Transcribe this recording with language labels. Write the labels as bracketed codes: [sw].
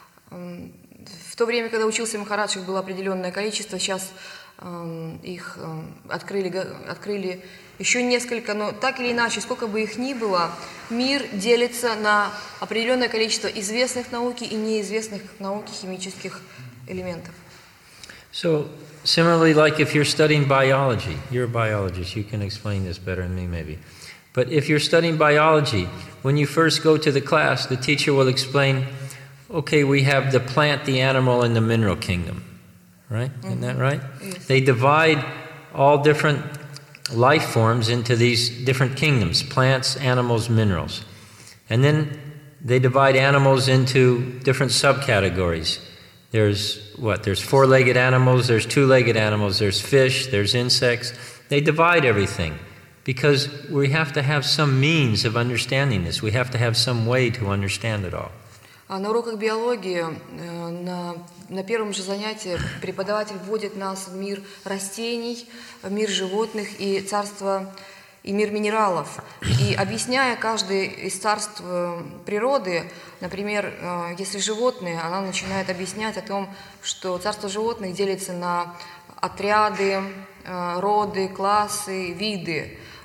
[ru] В то время, когда учился Махарадж, их было определенное количество, сейчас их открыли еще несколько, но так или иначе, сколько бы их ни было, мир делится на определенное количество известных науки и неизвестных науки химических элементов. [en] So similarly, like if you're studying biology, you're a biologist, you can explain this better than me maybe. But if you're studying biology, when you first go to the class, the teacher will explain, okay, we have the plant, the animal, and the mineral kingdom. Right? Mm-hmm. Isn't that right? Yes. They divide all different life forms into these different kingdoms: plants, animals, minerals. And then they divide animals into different subcategories. There's four-legged animals, there's two-legged animals, there's fish, there's insects. They divide everything because we have to have some means of understanding this. We have to have some way to understand it all. [ru] На уроках биологии, на первом же занятии преподаватель вводит нас в мир растений, в мир животных и царство, и мир минералов. И объясняя каждое из царств природы, например, если животные, она начинает объяснять о том, что царство животных делится на отряды, роды, классы, виды.